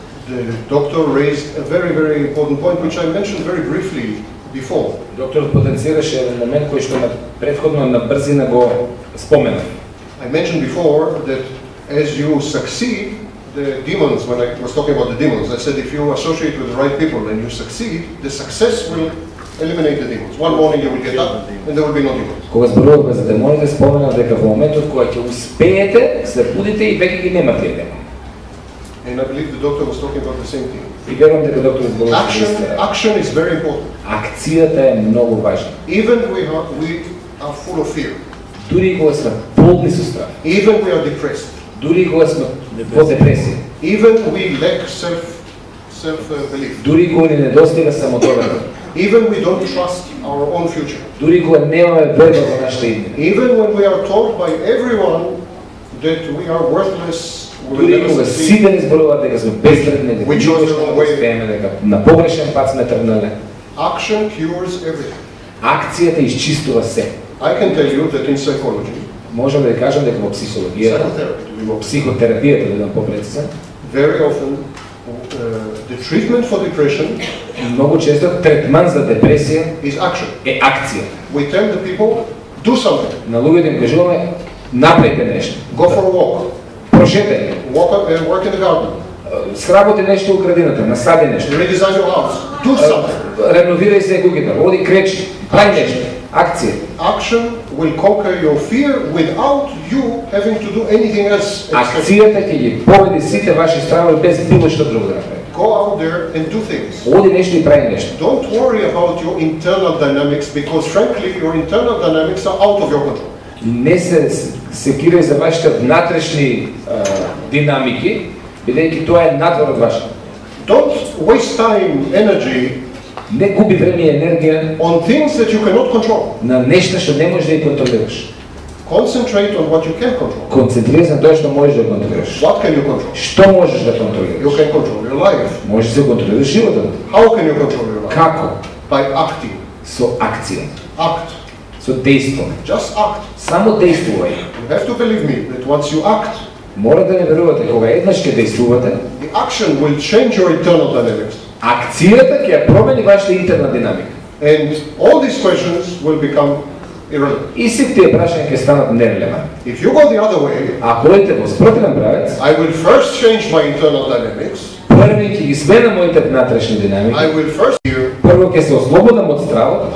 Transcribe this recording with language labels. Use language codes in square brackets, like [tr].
[en] The doctor raised a very, very important point, which I mentioned very briefly before. [mk] Докторот потенцираше еден момент кој што предходно на брзина го спомена. [en] I mentioned before that as you succeed, the demons, when I was talking about the demons, I said if you associate with the right people and you succeed, the success will eliminate the demons. One morning you will get up and there will be no demons. [mk] Кога зборувавме за демоните, споменав дека во моментот кога ќе успеете, се будите и веќе ги нема тие демони. [en] And I believe the doctor was talking about the same thing. [mk] И верувам дека доктор зборува за иста. [en] Action is very important. [mk] Акцијата е многу важна. [en] Even we are full of fear. [mk] Дури кога сме полни со страх. [en] Even we are depressed. [mk] Дури кога сме во депресија. [en] Even we lack self belief. [mk] Дури кога не недостига самодоверба. [en] Even we don't trust our own future. [mk] Дури кога немаме верба во нашата иднина. [en] Even when we are told by everyone that we are worthless. [mk] Дури кога сите ни зборуваат дека сме безвредни, дека не можеме да успееме, дека на погрешен пат сме тргнале. [en] Action cures everything. [mk] Акцијата исчистува се. [en] I can tell you that in psychology. [mk] Можам да кажам дека во психологијата, во психотерапијата, да дадам попрецизен, [en] very often the treatment for depression, [mk] многу често третман за депресија [en] is action. [mk] Е акција. [en] We tell the people do something. [mk] На луѓето им кажуваме направете нешто. [en] Go for a walk. [mk] Прошете. [en] Walk up and work in the garden. [mk] Сработи нешто у градината, насади нешто. [en] Redesign your house. Do something. [mk] Реновирај се куќата, оди кречи, прај нешто. Акција. [en] Action will conquer your fear without you having to do anything else. [mk] Акцијата ќе ги победи сите ваши страхови без било што друго да направите. [en] Go out there and do things. [mk] Оди нешто и прави нешто. [en] Don't worry about your internal dynamics because frankly your internal dynamics are out of your control. [mk] Не се секирај за вашите внатрешни динамики, бидејќи тоа е надвор од вашето. [en] Don't waste time, energy. [mk] Не губи време и енергија [en] on things that you cannot control. [mk] На нешта што не можеш да ги контролираш. [en] Concentrate on what you can control. [mk] Концентрирај се на тоа што можеш да контролираш. [en] What can you control? [mk] Што можеш да контролираш? [en] You can control your life. [mk] Можеш да контролираш животот. [en] How can you control your life? [mk] Како? [en] By acting. [mk] Со акција. [en] Act. [mk] Со дејство. [en] Just act. [mk] Само дејствувај. [en] You have to believe me that once you act. [mk] Мора да не верувате кога еднаш ќе дејствувате. [en] The action will change your internal dynamics. [mk] Акцијата ќе промени вашата интерна динамика. [en] And all these questions will become irrelevant. [mk] И сите тие прашања ќе станат нерелевантни. [en] If you go the other way, [mk] ако идете во спротивен правец, [en] I will first change my internal dynamics. [mk] Прво ќе изменам моите внатрешни динамики. [en] I will first you. [mk] Прво ќе се ослободам од стравот.